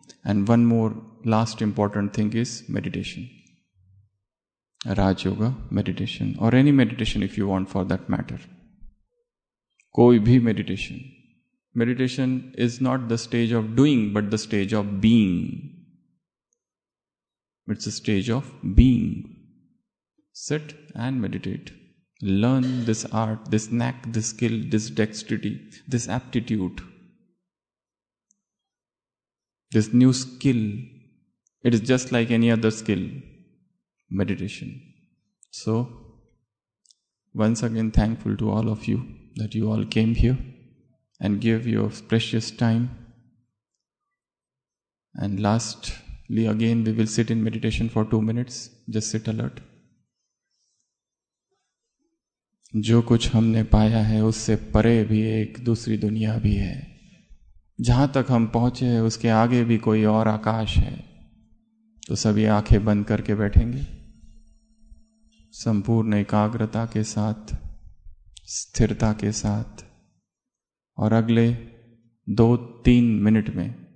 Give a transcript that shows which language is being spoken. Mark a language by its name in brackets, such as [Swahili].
[English] And one more last important thing is meditation. Raj yoga meditation और any meditation if you want for that matter [Hindi] कोई भी [English] Meditation meditation is not the stage of doing but the stage of being it's a stage of being sit and meditate learn this art this knack this skill this dexterity this aptitude this new skill it is just like any other skill Meditation. So, once again, thankful to all of you that you all came here and gave your precious time. And lastly, again, we will sit in meditation for 2 minutes. Just sit alert. [Hindi] जो कुछ हमने पाया है उससे परे भी एक दूसरी दुनिया भी है जहां तक हम पहुंचे हैं उसके आगे भी कोई और आकाश है तो सभी आंखें बंद करके बैठेंगे संपूर्ण एकाग्रता के साथ स्थिरता के साथ और अगले 2-3 मिनट में